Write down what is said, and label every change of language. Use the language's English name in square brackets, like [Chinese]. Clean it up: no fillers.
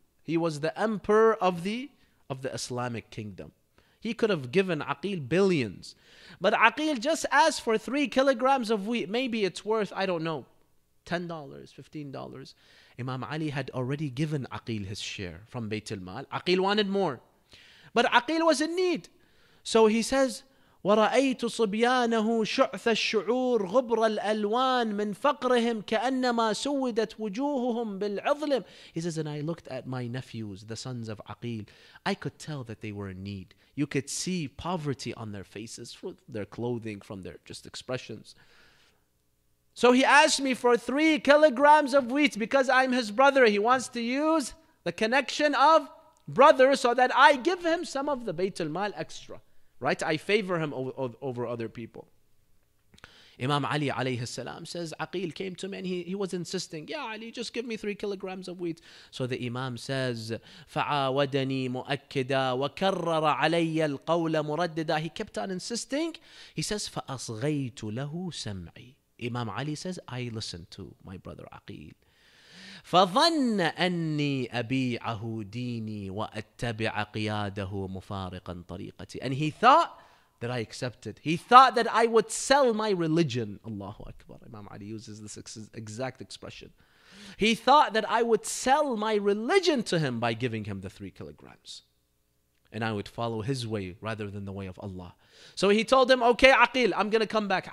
[English] He was the emperor of the Islamic kingdom. He could have given Aqil billions. But Aqil just asked for 3 kilograms of wheat. Maybe it's worth, I don't know, $10, $15. Imam Ali had already given Aqil his share from Bayt al-Mal. Aqil wanted more. But Aqil was in need. So he says, [Arabic] ورأيت صبيانه شعث الشعور غبر الألوان من فقرهم كأنما سودت وجوههم بالعظلم. [English] He says, and I looked at my nephews, the sons of Aqil. I could tell that they were in need. You could see poverty on their faces, from their clothing, from their just expressions. So he asked me for 3 kilograms of wheat because I'm his brother. He wants to use the connection of brother so that I give him some of the Bayt al-Mal extra. right? I favor him over other people. Imam Ali alayhi salam says, Aqil came to me and he was insisting, Ya Ali, just give me 3 kilograms of wheat. So the Imam says, [Arabic] فَعَاوَدَنِي مُؤَكِّدًا وَكَرَّرَ عَلَيَّ الْقَوْلَ مُرَدِّدًا. [English] He kept on insisting. He says, [Arabic] فَأَصْغَيْتُ لَهُ سَمْعِي. [English] Imam Ali says, I listened to my brother Aqil. [Arabic] فَظَنَّ أَنِّي أَبِيعَهُ دِينِي وَأَتَّبِعَ قِيَادَهُ مُفَارِقًا طَرِيقَتِي. [English] And he thought that I accepted. He thought that I would sell my religion. Allahu Akbar. Imam Ali uses this exact expression. He thought that I would sell my religion to him by giving him the 3 kilograms. And I would follow his way rather than the way of Allah. So he told him, okay, Aqil, I'm going to come back.